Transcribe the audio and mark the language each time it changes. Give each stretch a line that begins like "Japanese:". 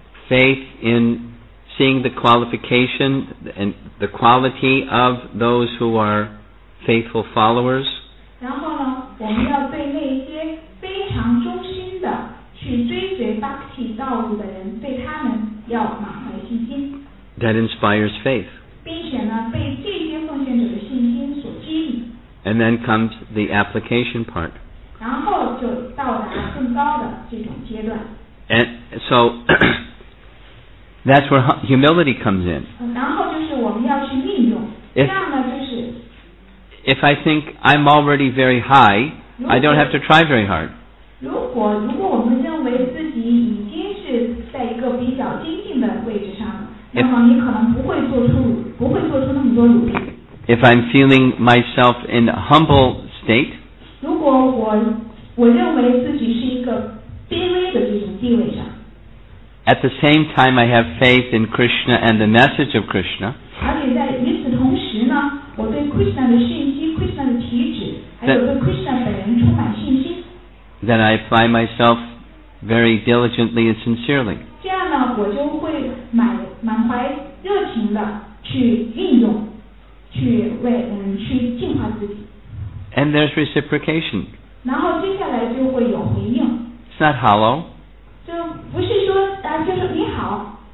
English: Faith in seeing the qualification and the quality of those who are faithful followers.
Chinese: 然后呢，我们要对那些非常忠心的去追随 Bhakti 道路的人，对他们要满怀信心。
English: That inspires faith.
Chinese: 并且呢，被这些奉献者的信心所激励。
English: And then comes the application part.
Chinese: 然后就到达了更高的这种阶段。
English: And so. That's where humility comes in.
Chinese: 然后就是我们要去运用。这样呢，就是。
English: If I think I'm already very high, I don't have to try very hard.
Chinese: 如果我们认为自己已经是在一个比较精进的位置上了，那么你可能不会做出那么多努力。
English: If I'm feeling myself in a humble state.
Chinese: 如果我认为自己是一个卑微的这种地位上。
English: At the same time, I have faith in Krishna and the message of Krishna.
Chinese: 而且在与此同时呢，我对 Krishna 的信息、Krishna 的体质，还有对 Krishna 本人充满信心。
English: Then I apply myself very diligently and sincerely.
Chinese: 这样呢，我就会满怀热情的去运用，去净化自己。
English: And there's reciprocation.
Chinese: 然后接下来就会有回应。
English: It's not hollow.
Chinese: 就不是说。就是你好，